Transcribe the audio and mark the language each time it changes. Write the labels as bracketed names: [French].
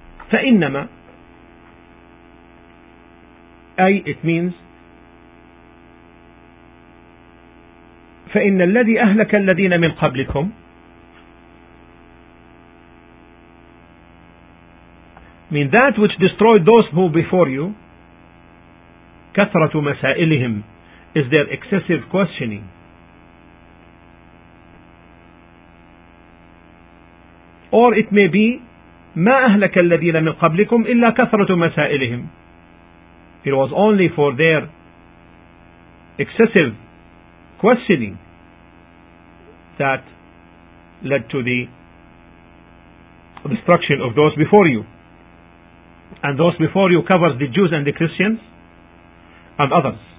[Arabic] فإنما, أي [English] it means [Arabic] فإن الذي أهلك الذين من قبلكم [English] mean that which destroyed those who before you, [Arabic] كثرة مسائلهم, [English] is their excessive questioning. Or it may be [Arabic] ما أهلك الذين من قبلكم إلا كثرة مسائلهم. [English] It was only for their excessive questioning that led to the destruction of those before you. And those before you covers the Jews and the Christians and others.